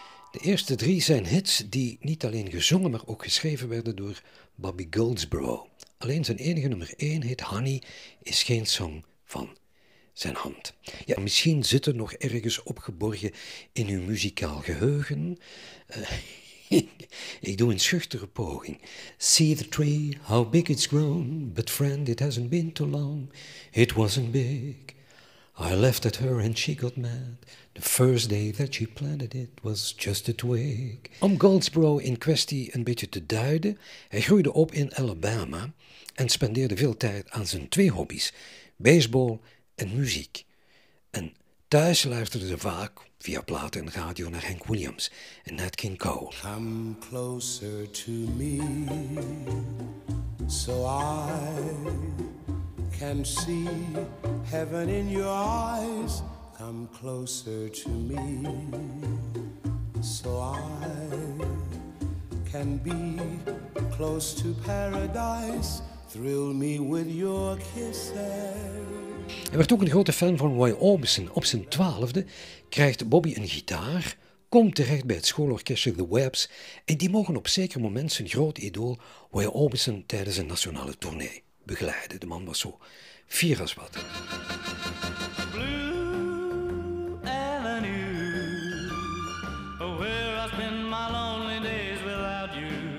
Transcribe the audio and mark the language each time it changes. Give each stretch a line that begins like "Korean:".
Dutch: De eerste drie zijn hits die niet alleen gezongen, maar ook geschreven werden door Bobby Goldsboro. Alleen zijn enige nummer 1 hit Honey is geen song van zijn hand. Ja, misschien zit er nog ergens opgeborgen in uw muzikaal geheugen. Ik doe een schuchtere poging.
English: See the tree, how big it's grown. But friend, it hasn't been too long. It wasn't big. I laughed at her and she got mad. The first day that she planted it was just a twig.
Dutch: Om Goldsboro in kwestie een beetje te duiden. Hij groeide op in Alabama en spendeerde veel tijd aan zijn twee hobby's. Baseball en muziek. En thuis luisterden ze vaak via platen en radio naar Hank Williams en Nat King Cole.
English: Come closer to me, so I can see heaven in your eyes. Come closer to me, so I can be close to paradise. Thrill me with your kisses.
Dutch: Hij werd ook een grote fan van Roy Orbison. Op zijn 12e krijgt Bobby een gitaar, komt terecht bij het schoolorkestje The Webs en die mogen op zeker moment zijn groot idool Roy Orbison tijdens een nationale tournee begeleiden. De man was zo fier als wat.
English: Blue Avenue, where I spend my lonely days without you.